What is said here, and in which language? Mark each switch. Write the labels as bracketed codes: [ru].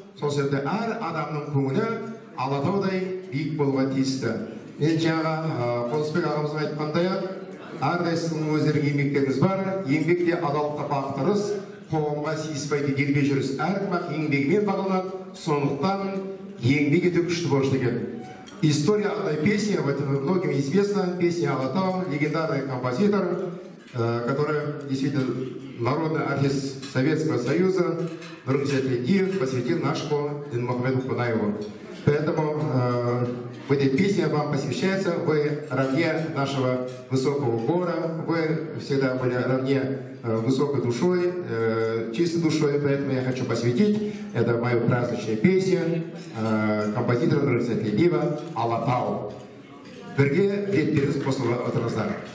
[kk] Сол себепті әр адамның көңілі Алатаудай биік болуға тиісті. Мен жаңа Қонысбек ағамызға айтқандай ақ, әрқайсысының өздерінің еңбектеріңіз бар, еңбек те адалдыққа бағыттырыс, қоғамға сиыспайды дербес жүріс, әркім ақ еңбегімен бағаланады, сондықтан еңбек ету күшті борышты екен. [ru] История одной песни, об этом многим известно, песня Алатау, легендарный композитор, который действительно народный артист Советского Союза, Нұрғиса Тілендиев, посвятил нашему Дінмұхаммеду Қонаеву. Поэтому в этой песне вам посвящается, вы равне нашего высокого гора, вы всегда были равне высокой душой, чистой душой, поэтому я хочу посвятить, это мою праздничную песню, композитору Нұрғиса Тілендиева «Алатау». [kk] Бірге бет беріз қосыл отырыңыздар.